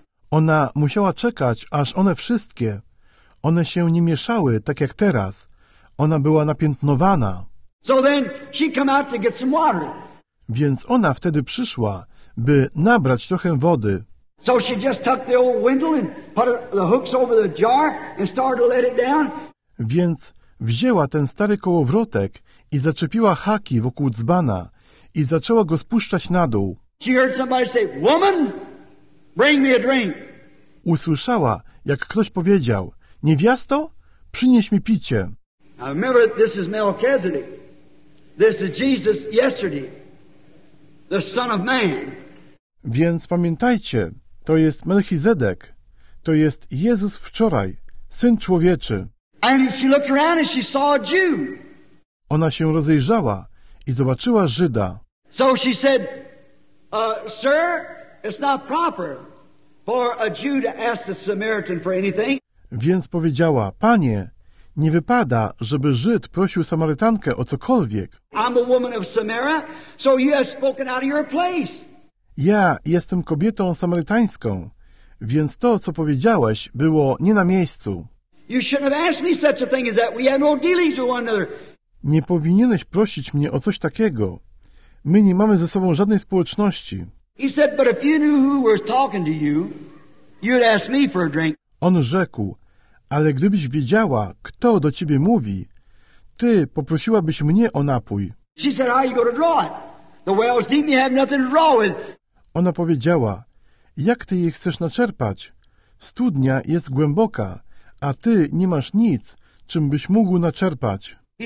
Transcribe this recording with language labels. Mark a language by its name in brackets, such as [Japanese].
[Polish] Ona musiała czekać, aż one wszystkie, one się nie mieszały, tak jak teraz. Ona była napiętnowana. [English] So then she came out to get some water. [Polish] Więc ona wtedy przyszła, by nabrać trochę wody. [English] So she just tucked the old windle and put the hooks over the jar and started to let it down. [Polish] Więc wzięła ten stary kołowrotek i zaczepiła haki wokół dzbana i zaczęła go spuszczać na dół. [English] She heard somebody say, "Woman, bring me a drink." [Polish] Usłyszała, jak ktoś powiedział, "Niewiasto, przynieś mi picie." [English] Now remember, this is Melchizedek. This is Jesus yesterday, the Son of Man. [Polish] Więc pamiętajcie, to jest Melchizedek, to jest Jezus wczoraj, Syn Człowieczy. [English] And she looked around and she saw a Jew. [Polish] Ona się rozejrzała i zobaczyła Żyda. [English] So she said, "Sir, it's not proper for a Jew to ask a Samaritan for anything." [Polish] Więc powiedziała: "Panie, nie wypada, żeby Żyd prosił Samarytankę o cokolwiek." [English] I'm a woman of Samaria, so you have spoken out of your place. [Polish] Ja jestem kobietą samarytańską, więc to, co powiedziałeś, było nie na miejscu. [English] You shouldn't have asked me such a thing as that. We have no dealings with one another. [Polish] Nie powinieneś prosić mnie o coś takiego. My nie mamy ze sobą żadnej społeczności. [English] He said, "But if you knew who was talking to you, you'd ask me for a drink." [Polish] On rzekł: "Ale gdybyś wiedziała, kto do ciebie mówi, ty poprosiłabyś mnie o napój." [English] She said, "How are you going to draw it? The well's deep, you have nothing to draw with." [Polish] Ona powiedziała: "Jak ty jej chcesz naczerpać? Studnia jest głęboka, a ty nie masz nic, czym byś mógł naczerpać."